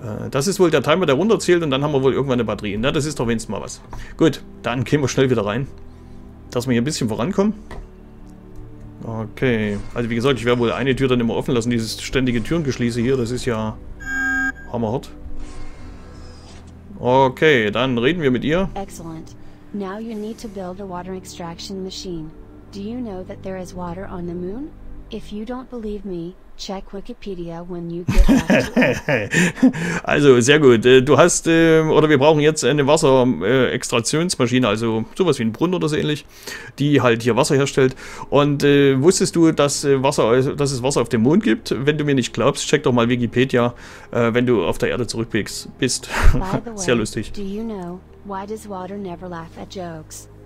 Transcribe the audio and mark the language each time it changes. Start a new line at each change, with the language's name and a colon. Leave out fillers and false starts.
German: Das ist wohl der Timer, der runterzählt und dann haben wir wohl irgendwann eine Batterie. Na, das ist doch wenigstens mal was. Gut, dann gehen wir schnell wieder rein. Dass wir hier ein bisschen vorankommen. Okay. Also wie gesagt, ich werde wohl eine Tür dann immer offen lassen. Dieses ständige Türengeschließe hier, das ist ja hammerhart. Okay, dann reden wir mit ihr.
English: Excellent. Now you need to build a water extraction machine. Do you know that there is water on the moon? If you don't believe me, check Wikipedia when you get back.
German: Also, sehr gut. Du hast, oder wir brauchen jetzt eine Wasserextraktionsmaschine, also sowas wie ein Brunnen oder so ähnlich, die halt hier Wasser herstellt. Und wusstest du, dass es Wasser auf dem Mond gibt? Wenn du mir nicht glaubst, check doch mal Wikipedia, wenn du auf der Erde zurückblickst. Bist sehr lustig.
English: Do you know, why does water never laugh at jokes?